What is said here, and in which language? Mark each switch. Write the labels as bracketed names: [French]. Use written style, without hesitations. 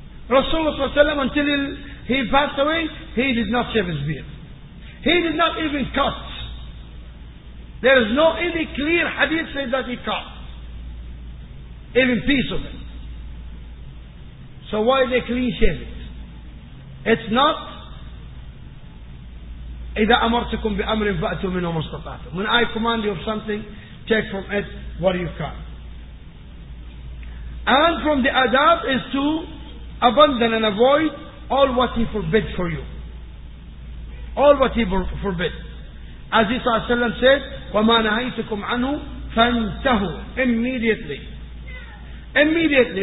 [English] Rasulullah sallallahu alaihi wasallam, until he passed away, he did not shave his beard. He did not even cut. There is no any clear hadith saying that he cut. Even piece of it. So why they clean shave it? It's not [Arabic] إِذَا أَمَرْتُكُمْ بِأَمْرٍ فَأْتُوا مِنْهُ مَا اسْتَطَعْتُمْ. [English] When I command you of something, take from it what you can. And from the adab is to abandon and avoid all what he forbid for you. All what he forbid. As Isa Sallam said, [Arabic] وَمَا نَهَيْتُكُمْ عَنْهُ فَانْتَهُوا. [English] Immediately. Immediately.